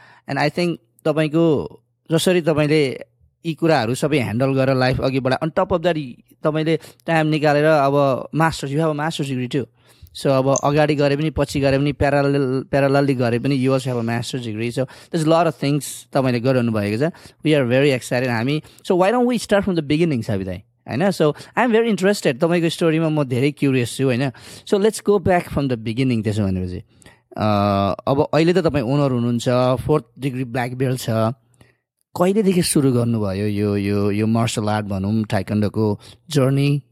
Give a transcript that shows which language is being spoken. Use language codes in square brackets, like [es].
[en] and I think [ne] तपाईँको जसरी तपाईँले यी कुराहरू सबै ह्यान्डल गरेर लाइफ अघि बढाए [en] on top of that [ne] तपाईँले टाइम निकालेर अब masters, [en] You have a masters degree too. [ne] So अब अगाडि गरे पनि पछि गरे पनि प्यारालली गरे पनि [en] Yours have a masters degree. So this lot of things [ne] तपाईँले गरिरहनु भएको छ. [en] We are very excited हामी. So why don't we start from the beginning साबित है होइन. So I'm very interested [ne] तपाईँको स्टोरीमा, म धेरै क्युरियस छु होइन. [en] So let's go back from the beginning. [ne] त्यसो भनेपछि अब अहिले त तपाईँ ओनर हुनुहुन्छ, फोर्थ डिग्री ब्ल्याक बेल्ट छ, कहिलेदेखि सुरु गर्नुभयो यो यो यो मार्सल आर्ट भनौँ टाइकन्डोको जर्नी?